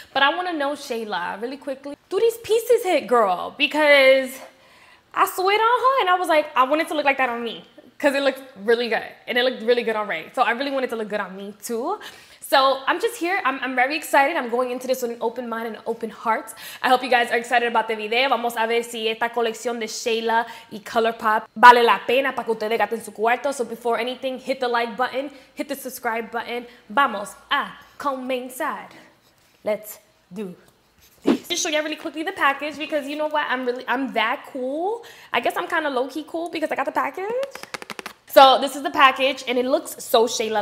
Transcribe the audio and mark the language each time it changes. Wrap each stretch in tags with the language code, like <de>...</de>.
<en>But I want to know, Shayla, really quickly, do these pieces hit, girl? Because I saw it on her and I was like, I want it to look like that on me because it looked really good and it looked really good on Ray. So I really want it to look good on me too. So I'm just here. I'm very excited. I'm going into this with an open mind and an open heart. I hope you guys are excited about the video.</en> <es>Vamos a ver si esta colección de Shayla y Colourpop vale la pena para que ustedes gaten su cuarto.</es> <en>So before anything, hit the like button, hit the subscribe button.</en> <es>Vamos a comenzar.</es> <en>Let's do this. Just show y'all really quickly the package because you know what? I'm that cool. I guess I'm kind of low-key cool because I got the package. So this is the package and it looks so Shayla.</en>